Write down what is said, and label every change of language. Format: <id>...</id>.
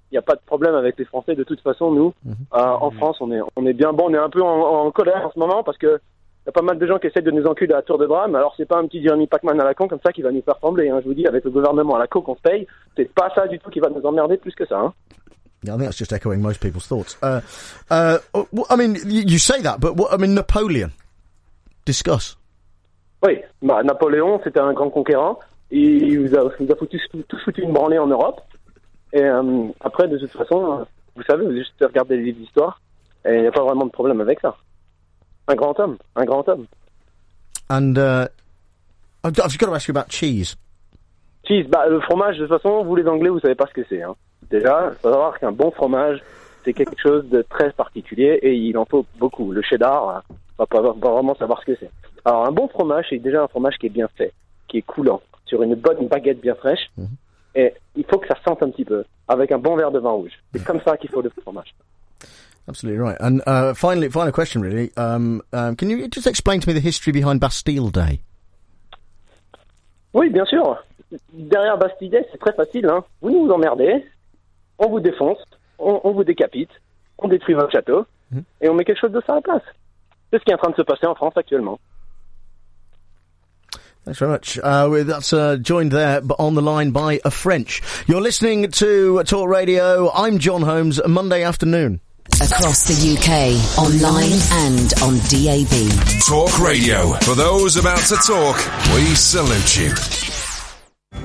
<fr>Il n'y a pas de problème avec les Français, de toute façon, nous, en France, on est bien bon, on est un peu en colère en ce moment, parce qu'il y a pas mal de gens qui essayent de nous enculer à la tour de bras, mais alors c'est pas un petit Jeremy Paxman à la con comme ça qui va nous faire trembler, hein, je vous dis, avec le gouvernement à la con qu'on se paye, c'est pas ça du tout qui va nous emmerder plus que ça, hein.</fr> <en>Yeah, I think that's just echoing most people's thoughts. I mean, you say that, but what, I mean, Napoleon, discuss.</en> <fr>Oui, bah, Napoléon, c'était un grand conquérant, il vous a foutu une branlée en Europe. Et après, de toute façon, vous savez, vous juste regardez les livres d'histoire, et il n'y a pas vraiment de problème avec ça. Un grand homme.</fr> <en>And, I've got to ask you about cheese.</en> <fr>Cheese, bah, le fromage, de toute façon, vous les Anglais, vous savez pas ce que c'est, hein. Déjà, il faut savoir qu'un bon fromage, c'est quelque chose de très particulier, et il en faut beaucoup. Le cheddar, on va pas vraiment savoir ce que c'est. Alors, un bon fromage, c'est déjà un fromage qui est bien fait, qui est coulant, sur une bonne baguette bien fraîche. Mm-hmm. Et il faut que ça sente un petit peu, avec un bon verre de vin rouge. C'est comme ça qu'il faut le fromage.</fr> <en>Absolutely right. And final question, really. Can you just explain to me the history behind Bastille Day?</en> <fr>Oui, bien sûr. Derrière Bastille Day, c'est très facile, hein. Vous nous emmerdez, on vous défonce, on vous décapite, on détruit votre château, et on met quelque chose de ça à la place. C'est ce qui est en train de se passer en France actuellement.</fr> <en>Thanks very much. That's joined there but on the line by a French. You're listening to Talk Radio. I'm John Holmes, Monday afternoon. Across the UK, online and on DAB. Talk Radio. For those about to talk, we salute you.</en>